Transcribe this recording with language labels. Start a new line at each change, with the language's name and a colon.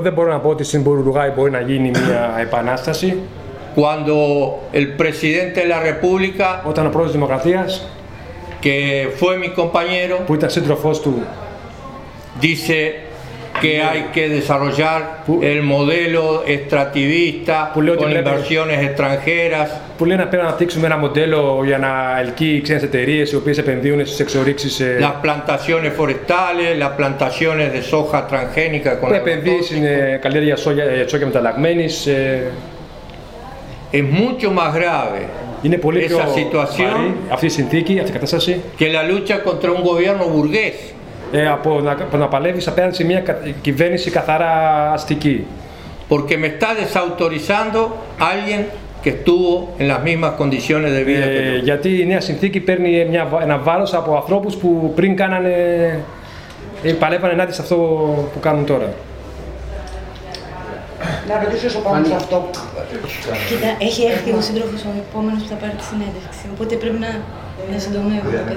Greek: δεν μπορώ να πω ότι στην Ουρουγουάη μπορεί να γίνει μια επανάσταση.
Spanish: Cuando el presidente de la República,
Greek: όταν ο πρόεδρος της Δημοκρατίας,
Spanish: que fue mi compañero,
Greek: που ήταν σύντροφός του,
Spanish: dice que hay que desarrollar el modelo extractivista con inversiones extranjeras.
Greek: Που λένε να πρέπει να αναπτύξουμε ένα μοντέλο για να ελκύει ξένες εταιρείες οι οποίες επενδύουν στις εξορίξεις.
Spanish: Las plantaciones forestales, las plantaciones de soja transgénica con agrotóxicos.
Greek: Που επενδύει στην καλλιέργεια σόγια μεταλλαγμένης.
Spanish: Es mucho más grave.
Greek: Είναι πολύ πιο βαρύ αυτή η συνθήκη, αυτή η κατάσταση.
Spanish: Que la lucha contra un gobierno burgués.
Greek: Από να παλεύεις απέναντι σε μια κυβέρνηση καθαρά αστική.
Spanish: Porque me está desautorizando alguien que estuvo en las mismas condiciones de vida que yo.
Greek: Γιατί η νέα συνθήκη παίρνει ένα βάρος από ανθρώπους που πριν κάνανε παλεύανε ενάντια σε αυτό που κάνουν τώρα. Να ρωτήσω πάνω σε αυτό. Κοίτα, έχει έρθει ο σύντροφος ο επόμενος που θα πάρει τη συνέντευξη. Οπότε πρέπει να συντομεύω.